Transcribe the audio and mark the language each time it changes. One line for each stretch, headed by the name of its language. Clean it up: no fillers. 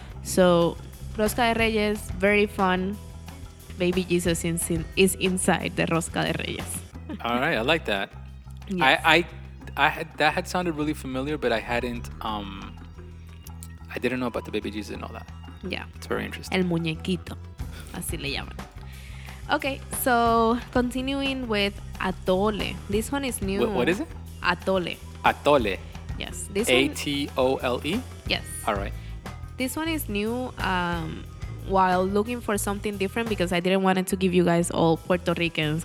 English: So, Rosca de Reyes, very fun. Baby Jesus is inside the Rosca de Reyes. All right, I like that. Yes. That had sounded really familiar, but I hadn't. I didn't know about the baby Jesus and all that. Yeah, it's very interesting.
Spanish: El muñequito, así le llaman.
English: Okay, so continuing with atole. This one is new. What is it? Atole. Atole. Yes. A-T-O-L-E? Yes. All right. This one is new. While looking for something different, because I didn't want to give you guys all Puerto Ricans.